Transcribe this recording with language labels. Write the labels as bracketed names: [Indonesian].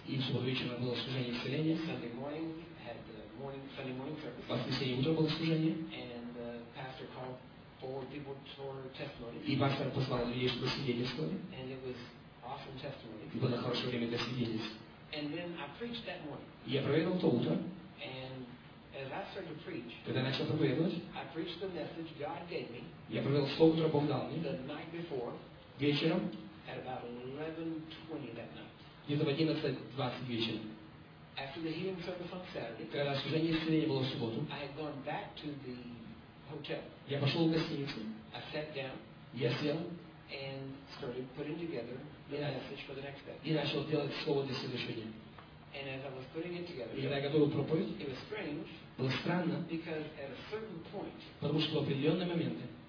[Russian] И в субботу вечером было служение исцеления. [English] Sunday morning had the Sunday morning service. [Russian] Воскресенье утро было служение. [English] And the pastor called four people for testimony. [Russian] И пастор послал людей, чтобы свидетельствовали. [English] And it was awesome testimony. [Russian] И было хорошее время для свидетельств. [English] And then I preached that morning. [Russian] Я проповедовал то утро. [English] And as I started to preach, [Russian] когда начал проповедовать, [English] I preached the message God gave me. [Russian] Я проповедовал слово, которое Бог дал мне. [English] The night before. [Russian] Вечером. [English] At about 11:20 that night. [Russian] Где-то в 11:20 вечера. [English] After the healing service on Saturday, [Russian] когда служение исцеления было в субботу, [English] I had gone back to the hotel. [Russian] Я пошел в гостиницу. [English] I sat down. [Russian] Я сел. [English] And started putting together the message for the next day. [Russian] И начал делать слово для следующего дня. [English] And as I was putting it together, [Russian] и когда я готовил проповедь, [English] it was strange. [Russian] Было странно. [English] Because at a certain point, [Russian] потому что в определенные моменты,